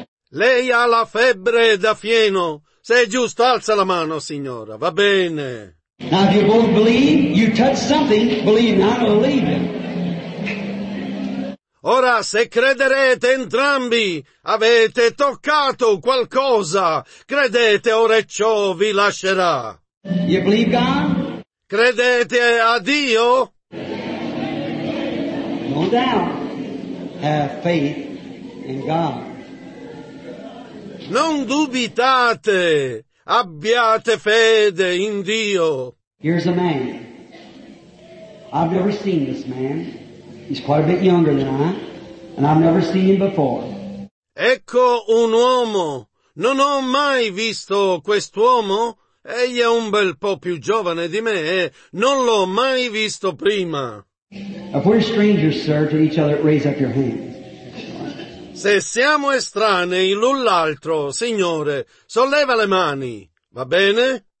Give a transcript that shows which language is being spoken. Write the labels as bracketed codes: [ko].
[it] Lei ha la febbre da fieno. Se è giusto, alza la mano, signora. Va bene. [en] Now, if you both believe, you touch something, believe not, believe it. [it] Ora, se crederete entrambi, avete toccato qualcosa. Credete, ora ciò vi lascerà. [en] You believe God? [it] Credete a Dio? [en] No doubt. Have faith in God. [it] Non dubitate. Abbiate fede in Dio. [en] Here's a man. I've never seen this man. He's quite a bit younger than I, and I've never seen him before. [it] Ecco un uomo. Non ho mai visto quest'uomo. Egli è un bel po' più giovane di me, e non l'ho mai visto prima. [en] If we're strangers, sir, to each other, raise up your hands. [it] Se siamo estranei l'un l'altro, signore, solleva le mani, va bene?